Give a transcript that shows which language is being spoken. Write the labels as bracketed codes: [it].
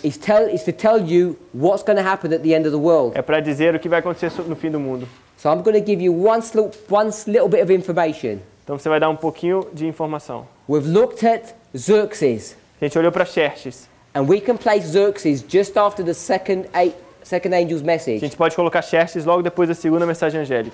[en] is to tell you what's going to happen at the end of the world. [pt] É para dizer o que vai acontecer no fim do mundo. [en] So I'm going to give you one little bit of information. [pt] Então você vai dar um pouquinho de informação. [en] We've looked at Xerxes. [pt] A gente olhou para Xerxes. [en] And we can place Xerxes just after the second angel's message. [pt] A gente pode colocar Xerxes logo depois da segunda mensagem angélica.